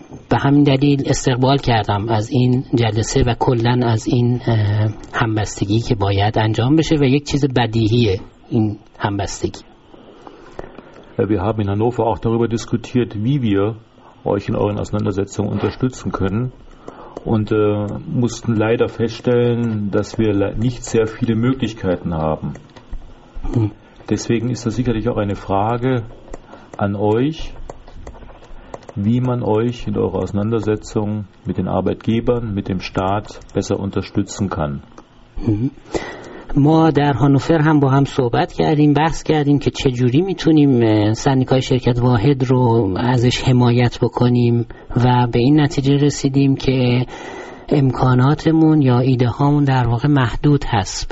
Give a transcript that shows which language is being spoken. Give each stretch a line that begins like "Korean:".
Persian: به همین دلیل استقبال کردم از این جلسه و کلن از این همبستگی که باید انجام بشه، و یک چیز بدیهیه این همبستگی.
German: Wir haben in Hannover auch darüber diskutiert, wie wir euch in euren Auseinandersetzungen unterstützen können. Und mussten leider feststellen, dass wir nicht sehr viele Möglichkeiten haben. Deswegen ist das sicherlich auch eine Frage an euch, wie man euch in eurer Auseinandersetzung mit den Arbeitgebern, mit dem Staat besser unterstützen kann.
Persian: ما در هانوفر هم با هم صحبت کردیم، بحث کردیم که چجوری میتونیم سندیکای شرکت واحد رو ازش حمایت بکنیم، و به این نتیجه رسیدیم که امکاناتمون یا ایده هامون در واقع محدود هست.